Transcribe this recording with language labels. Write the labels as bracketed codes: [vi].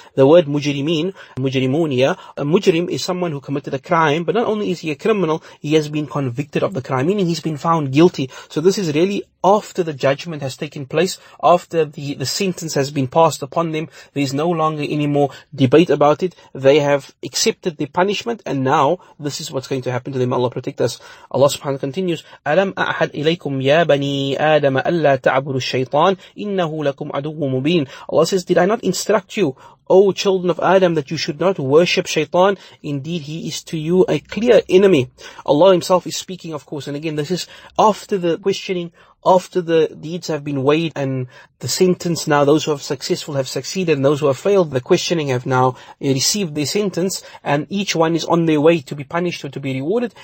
[en] The word mujrimeen, mujrimun, yeah, a mujrim is someone who committed a crime, but not only is he a criminal, he has been convicted of the crime, meaning he's been found guilty. So this is really after the judgment has taken place, after the sentence has been passed upon them, there's no longer any more debate about it. They have accepted the punishment, and now this is what's going to happen to them. Allah protect us. [ar] Allah subhanahu continues, أَلَمْ أَعْهَدْ إِلَيْكُمْ يَا بَنِي آدَمَ أَلَّا تَعْبُرُ الشَّيْطَانِ إِنَّهُ لَكُمْ عَدُوٌّ مُبِينٌ. [en] Allah says, did I not instruct you, O children of Adam, that you should not worship Shaitan? Indeed, he is to you a clear enemy. Allah himself is speaking, of course. And again, this is after the questioning, after the deeds have been weighed and the sentence now, those who have successful have succeeded and those who have failed, the questioning, have now received their sentence, and each one is on their way to be punished or to be rewarded.